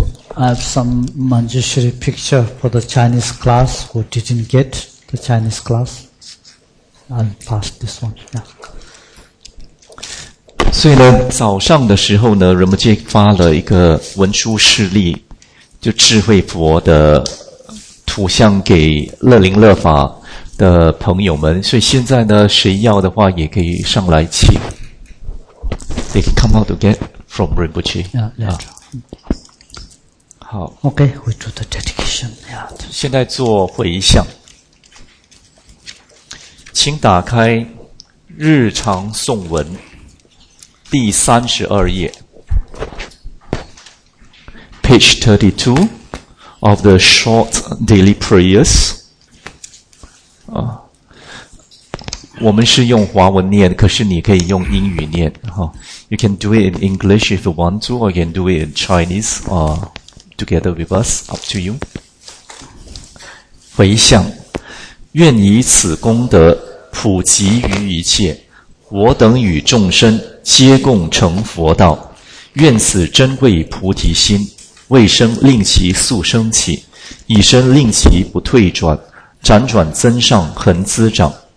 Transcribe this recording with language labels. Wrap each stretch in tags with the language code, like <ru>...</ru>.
<en>So I have some Manjushri picture for the Chinese class who didn't get the Chinese class. I'll pass this one. Yeah.</en> <zh>所以呢，早上的时候呢，仁波切发了一个文殊示例，就智慧佛的图像给乐林乐法的朋友们。所以现在呢，谁要的话也可以上来请。</zh> <en>They can come out to get from Rinpoche. Yeah, later.</en> <zh>好</zh> <en>OK, we do the dedication. Yeah.</en> <zh>现在做回向，请打开日常诵文第32页</zh> <en>Page 32 of the short daily prayers.</en> <zh>我们是用华文念，可是你可以用英语念。</zh> <en>You can do it in English if you want to, or you can do it in Chinese, together with us, up to you.</en> <zh>回向，愿以此功德普及于一切，我等与众生皆共成佛道。愿此珍贵菩提心，未生令其速生起，已生令其不退转，辗转增上恒滋长。</zh>